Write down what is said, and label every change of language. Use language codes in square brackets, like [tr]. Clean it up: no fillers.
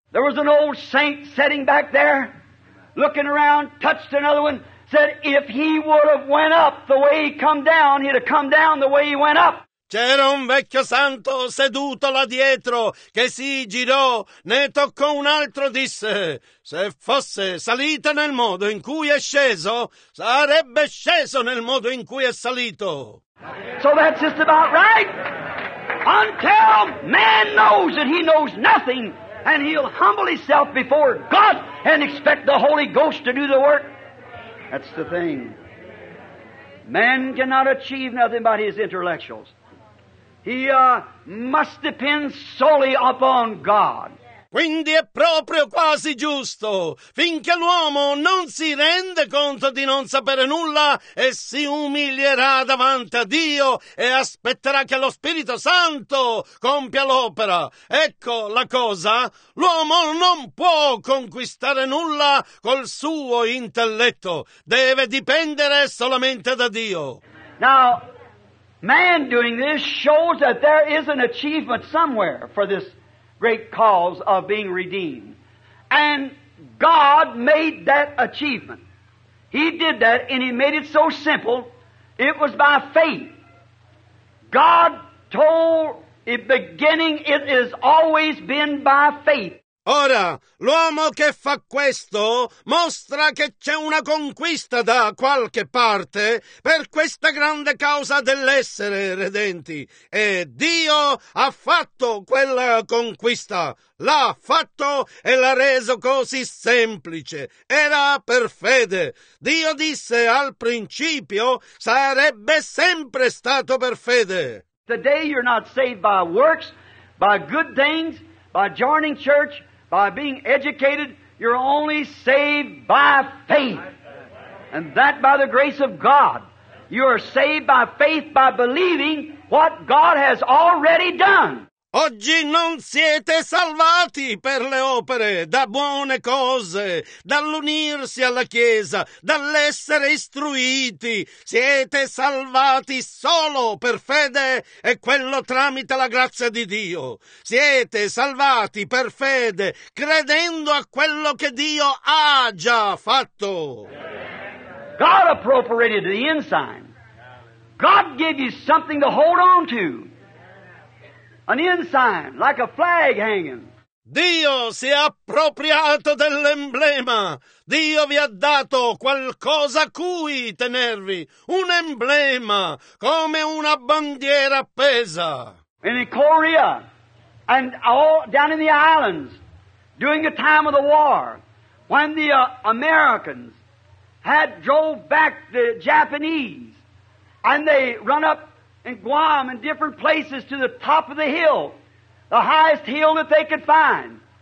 [en] There was an old saint sitting back there, looking around, touched another one, said if he would have went up the way he come down, he'd have come down the way he went up. [it] C'era un vecchio santo seduto là dietro che si girò, ne toccò un altro, disse: se fosse salito nel modo in cui è sceso, sarebbe sceso nel modo in cui è salito. [en] So that's just about right. Until man knows that he knows nothing and he'll humble himself before God and expect the Holy Ghost to do the work. That's the thing. Man cannot achieve nothing but his intellectuals. He must depend solely upon God. [it] Quindi è proprio quasi giusto. Finché l'uomo non si rende conto di non sapere nulla e si umilierà davanti a Dio e aspetterà che lo Spirito Santo compia l'opera. Ecco la cosa. L'uomo non può conquistare nulla col suo intelletto. Deve dipendere solamente da Dio. [en] Now, man doing this shows that there is an achievement somewhere for this great cause of being redeemed. And God made that achievement. He did that, and he made it so simple, it was by faith. God told it beginning, it has always been by faith. [it] Ora, l'uomo che fa questo mostra che c'è una conquista da qualche parte per questa grande causa dell'essere redenti. E Dio ha fatto quella conquista, l'ha fatto e l'ha reso così semplice. Era per fede. Dio disse al principio sarebbe sempre stato per fede. [en] Today you're not saved by works, by good things, by joining church. By being educated, you're only saved by faith. And that by the grace of God. You are saved by faith by believing what God has already done. [it] Oggi non siete salvati per le opere, da buone cose, dall'unirsi alla Chiesa, dall'essere istruiti. Siete salvati solo per fede e quello tramite la grazia di Dio. Siete salvati per fede, credendo a quello che Dio ha già fatto. [en] God appropriated the ensign. God gave you something to hold on to. An ensign, like a flag hanging. [it] Dio si è appropriato dell'emblema. Dio vi ha dato qualcosa a cui tenervi. Un emblema, come una bandiera appesa. [en] In Korea, and all down in the islands, during the time of the war, when the Americans had drove back the Japanese, and they run up in Guam and different places to the top of the hill, the highest hill that they could find.